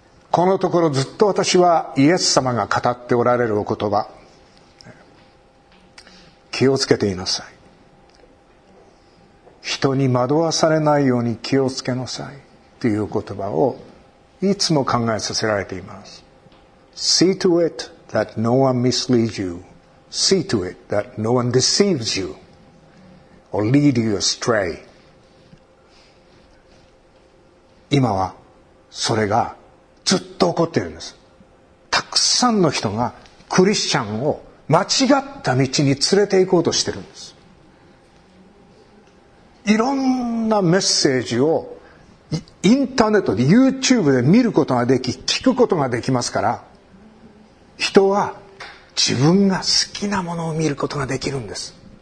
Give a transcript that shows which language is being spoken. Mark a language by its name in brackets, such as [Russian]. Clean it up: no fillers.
[Japanese] このところずっと私はイエス様が語っておられるお言葉、気をつけていなさい、人に惑わされないように気をつけなさいという言葉をいつも考えさせられています。 [English] See to it that no one misleads you. See to it that no one deceives you or lead you astray. [Japanese] 今はそれがずっと起こっているんです。たくさんの人がクリスチャンを間違った道に連れて行こうとしているんです。いろんなメッセージをインターネットで YouTube で見ることができ聞くことができますから、人は自分が好きなものを見ることができるんです。